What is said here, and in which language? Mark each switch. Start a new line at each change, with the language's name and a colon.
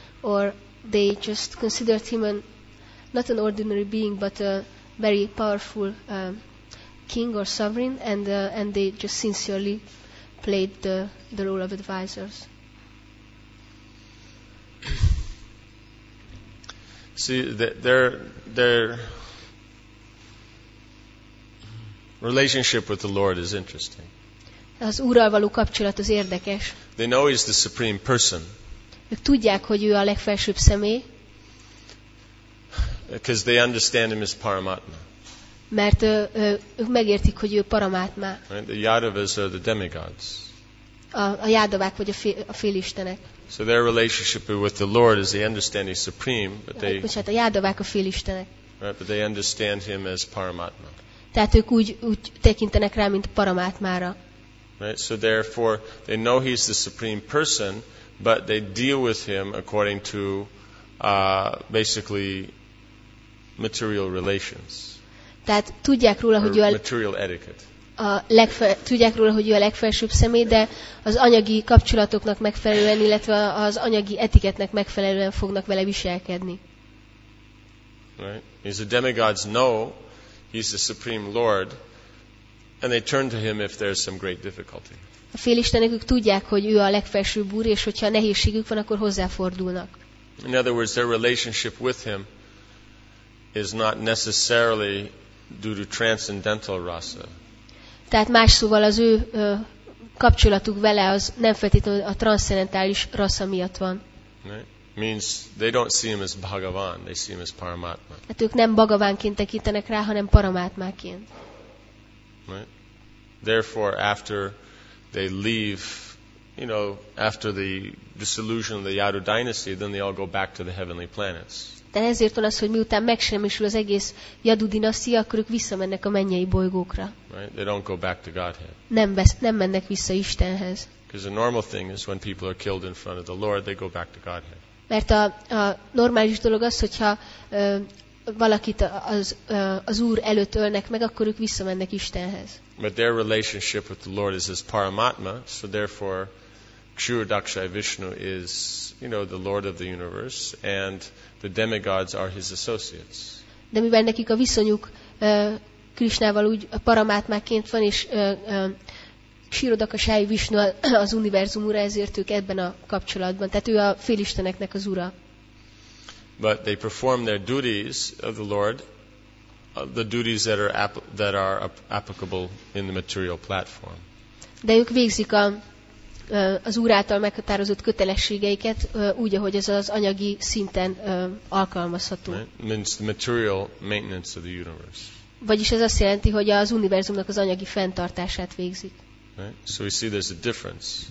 English: Or they just considered him not an ordinary being, but a very powerful king or sovereign, and they just sincerely played the role of advisors? See, their relationship with the Lord is interesting.
Hungarian: Az Úrral való kapcsolat az érdekes.
English: They know he's the Supreme Person.
Hungarian: Ők tudják, hogy ő a legfelsőbb személy.
English: Because they understand him as Paramatma.
Hungarian: Mert ők megértik, hogy ő Paramatma.
English: Right? The Yadavas are the demigods.
Hungarian: A Yadavák vagy a félistenek.
English: So their relationship with the Lord is they understand he's supreme, but they.
Hungarian: A Yadavák a félistenek.
English: Right, but they understand him as Paramatma.
Hungarian: Tehát ők úgy tekintenek rá, mint Paramatmára.
English: Right, so therefore they know he's the supreme person, but they deal with him according to basically material relations.
Hungarian: Tehát tudják róla, hogy
English: material etiquette.
Hungarian: Tudják róla, hogy ő a legfelsőbb személy, de az anyagi kapcsolatoknak megfelelően, illetve az anyagi etiketnek megfelelően fognak vele viselkedni.
English: Right? As the demigods know, he's the supreme lord, and they turn to him if there's some great difficulty.
Hungarian: A félistenek ők tudják, hogy ő a legfelsőbb úr, és hogyha nehézségük van, akkor hozzáfordulnak.
English: In other words, their relationship with him is not necessarily due to transcendental rasa.
Hungarian: Tehát más szóval az ő kapcsolatuk vele az nem feltétlenül a transzcendentális rasza miatt van.
English: Means they don't see him as Bhagavan, they see him as Paramatma.
Hungarian: Hát ők nem Bhagavánként tekintenek rá, hanem Paramatmáként.
English: Right. Therefore, after they leave, you know, after the dissolution of the Yadu dynasty, then they all go back to the heavenly planets.
Hungarian: De ezért van az, hogy miután megsemmisül az egész Yadu dinasztia, akkor ők visszamennek a mennyei bolygókra.
English: Right? They don't go back to Godhead.
Hungarian: Nem mennek vissza Istenhez.
English: Because the normal thing is when people are killed in front of the Lord, they go back to Godhead.
Hungarian: Mert a normális dolog az, hogyha valakit az Úr előtt ölnek meg, akkor ők visszamennek Istenhez.
English: But their relationship with the Lord is as Paramatma, so therefore Kshura Dakshaya Vishnu is, you know, the Lord of the universe, and the demigods are his associates.
Hungarian: De mivel nekik a viszonyuk Krishnával úgy Paramatmáként van, és Kshura Dakshaya Vishnu az univerzum ura, ezért ők ebben a kapcsolatban. Tehát ő a félisteneknek az ura.
English: But they perform their duties of the Lord, the duties that are applicable in the material platform.
Hungarian: De ők végzik az Úr által meghatározott kötelességeiket úgy, ahogy ez az anyagi szinten alkalmazható.
English: Means the material maintenance of the universe.
Hungarian: Vagyis ez azt jelenti, hogy az univerzumnak az anyagi fenntartását végzik.
English: Right? So we see there's a difference.